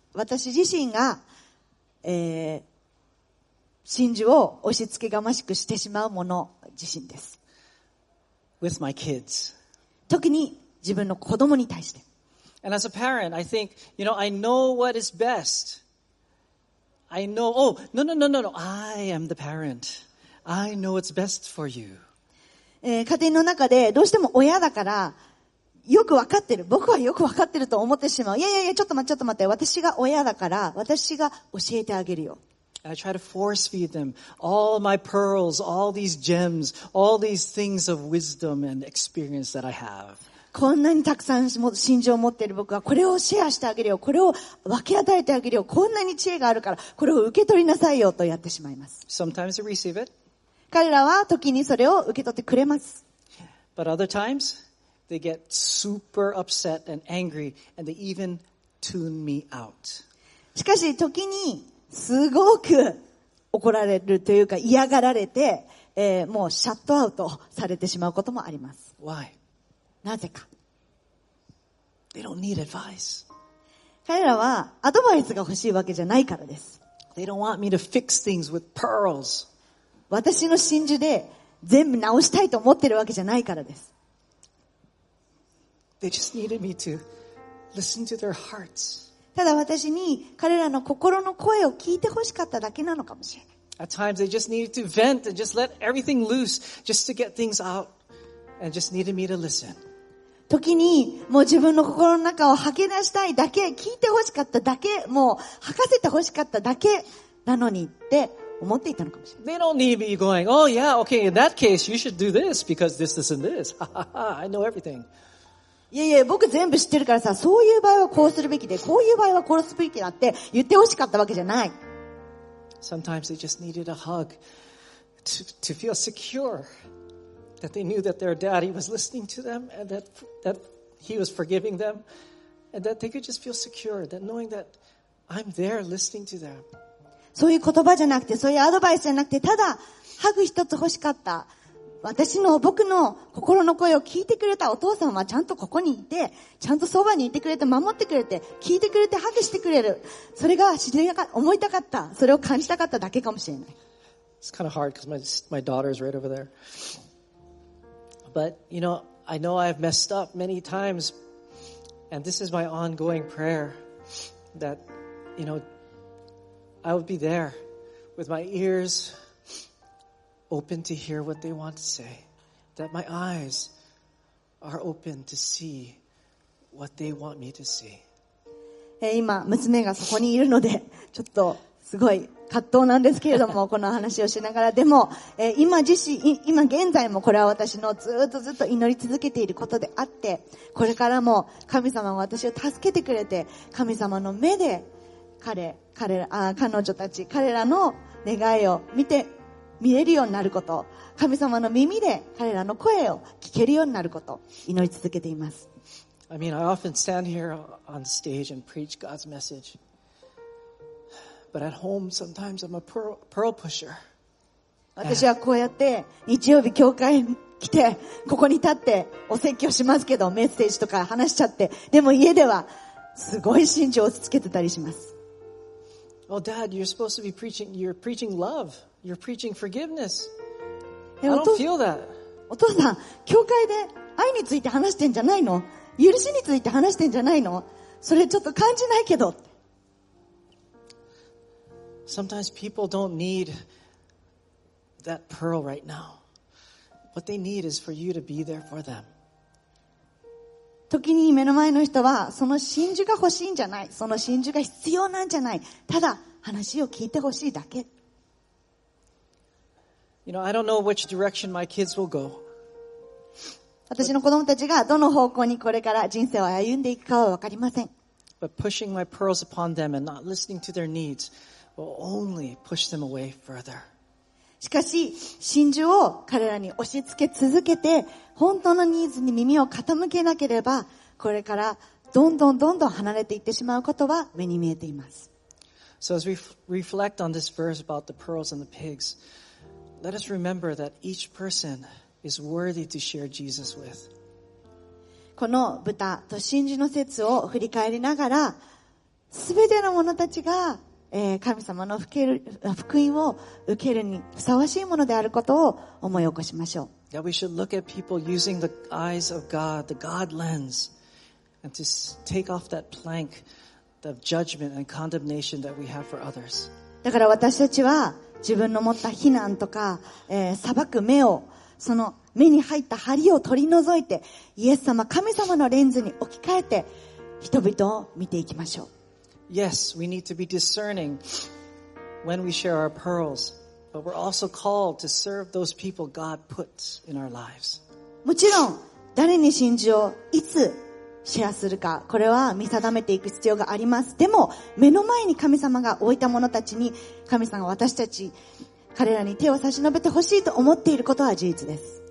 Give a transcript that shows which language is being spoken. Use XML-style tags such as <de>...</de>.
<ja>私自身が、真珠を押し付けがましくしてしまうもの自身です。</ja> <en>With my kids.</en> <ja>特に自分の子供に対して。</ja> <en>And as a parent, I think, you know, I know what is best. I know, oh, no, no, no, no, no, I am the parent. I know what's best for you.</en> <ja>家庭の中でどうしても親だから、よくわかってる。僕はよくわかってると思ってしまう。いやいやいや、ちょっと待って。私が親だから、私が教えてあげるよ。</ja> <en>I try to force feed them all my pearls, all these gems, all these things of wisdom and experience that I have.</en> <ja>こんなにたくさん真珠を持っている僕はこれをシェアしてあげるよ、これを分け与えてあげるよ、こんなに知恵があるからこれを受け取りなさいよとやってしまいます。</ja> <en>Sometimes they receive it.</en> <ja>彼らは時にそれを受け取ってくれます。</ja> <en>But other times they get super upset and angry and they even tune me out.</en> <ja>しかし時にすごく怒られるというか嫌がられて、もうシャットアウトされてしまうこともあります。</ja> <en>Why?</en> <ja>なぜか。</ja> <en>They don't need advice.</en> <ja>彼らはアドバイスが欲しいわけじゃないからです。</ja> <en>They don't want me to fix things with pearls.</en> <ja>私の真珠で全部直したいと思ってるわけじゃないからです。</ja> <en>They just needed me to listen to their hearts.</en> <ja>ただ私に彼らの心の声を聞いて欲しかっただけなのかもしれない。</ja> <en>At times they just needed to vent and just let everything loose just to get things out and just needed me to listen.</en> <ja>時にもう自分の心の中を吐き出したいだけ、聞いて欲しかっただけ、もう吐かせて欲しかっただけなのにって思っていたのかもしれない。</ja> <en>They don't need me going, oh yeah, okay, in that case you should do this because this, this and this. I know everything.</en> <ja>いやいや、僕全部知ってるからさ、そういう場合はこうするべきで、こういう場合は殺すべきだって言って欲しかったわけじゃない。</ja> <en>Sometimes they just needed a hug to feel secure that they knew that their daddy was listening to them and that he was forgiving them and that they could just feel secure that knowing that I'm there listening to them.</en> <ja>そういう言葉じゃなくて、そういうアドバイスじゃなくて、ただハグ一つ欲しかった。私の僕の心の声を聞いてくれたお父さんはちゃんとここにいて、ちゃんとそばにいてくれて、守ってくれて、聞いてくれて、ハグしてくれる。それが知りたか、思いたかった。それを感じたかっただけかもしれない。</ja> <en>It's kind of hard because my daughter is right over there. But, you know, I know I've messed up many times. And this is my ongoing prayer that, you know, I would be there with my ears. Open to hear what they want to say. That my eyes are open to see what they want me to see.</en> <ja>今娘がそこにいるので、ちょっとすごい葛藤なんですけれども、この話をしながら、でも、今現在もこれは私のずっとずっと祈り続けていることであって、これからも神様が私を助けてくれて、神様の目で彼女たち、彼らの願いを見れるようになること、神様の耳で彼らの声を聞けるようになること、祈り続けています。</ja> <en>I mean, I often stand here on stage and preach God's message. But at home, sometimes I'm a pearl pusher.</en> <ja>私はこうやって日曜日教会に来て、ここに立ってお説教しますけど、メッセージとか話しちゃって、でも家ではすごい真珠を押し付けてたりします。</ja> <en>Well, Dad, you're supposed to be preaching, you're preaching love. You're preaching forgiveness. I don't feel that.</en> <ja>お父さん、教会で愛について話してんじゃないの？許しについて話してんじゃないの？それちょっと感じないけど。</ja> <en>Sometimes people don't need that pearl right now. What they need is for you to be there for them.</en> <ja>時に目の前の人はその真珠が欲しいんじゃない。その真珠が必要なんじゃない。ただ話を聞いてほしいだけ。</ja> <en>You know, I don't know which direction my kids will go.</en> <ja>私の子供たちがどの方向にこれから人生を歩んでいくかは分かりません。</ja> <en>But pushing my pearls upon them and not listening to their needs will only push them away further.</en> <ja>しかし、真珠を彼らに押し付け続けて、本当のニーズに耳を傾けなければ、これからどんどんどんどん離れていってしまうことは目に見えています。</ja> <en>So as we reflect on this verse about the pearls and the pigs, let us remember that each personis worthy to share Jesus with.</en> <ja>この豚と真珠の説を振り返りながら、すべての者たちが、神様の福音を受けるにふさわしいものであることを思い起こしましょう。</ja> <en>That we should look at people using the eyes of God, the God lens, and to take off that plank of judgment and condemnation that we have for others.</en> <ja>だから私たちは自分の持った非難とか、裁く目をその目に入った針を取り除いて、イエス様、神様のレンズに置き換えて人々を見ていきましょう。</ja> <en>Yes, we need to be discerning when we share our pearls, but we're also called to serve those people God puts in our lives.</en> <ja>もちろん誰に真珠をいつシェアするか、これは見定めていく必要があります。でも目の前に神様が置いた者たちに、神様は私たち彼らに手を差し伸べてほしいと思っていることは事実です。</ja>